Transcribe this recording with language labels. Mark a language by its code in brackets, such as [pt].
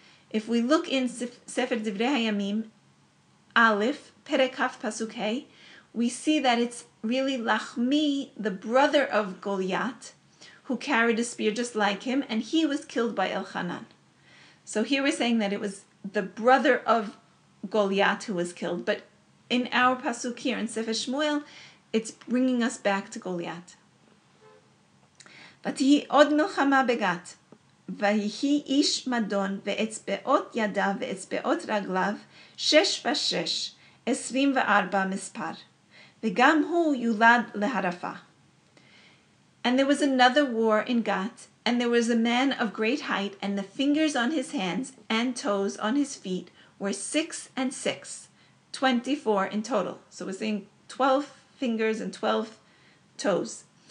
[en] If we look in Sefer Divrei Hayamim, Aleph, Perek Kaf Pasuk Hei, we see that it's really Lachmi, the brother of Goliath, who carried a spear just like him, and he was killed by Elchanan. So here we're saying that it was the brother of Goliath who was killed, but in our Pasuk here in Sefer Shmuel, it's bringing us back to Goliath. [he] ותהי עוד מלחמה בגת, והיהי איש מדון, ואצבעות ידיו ואצבעות רגליו, שש ושש, 24 מספר, וגם הוא יולד להרפה. [en] And there was another war in Gat, and there was a man of great height, and the fingers on his hands and toes on his feet were 6 and 6, 24 in total. So we're saying 12 fingers and 12 toes.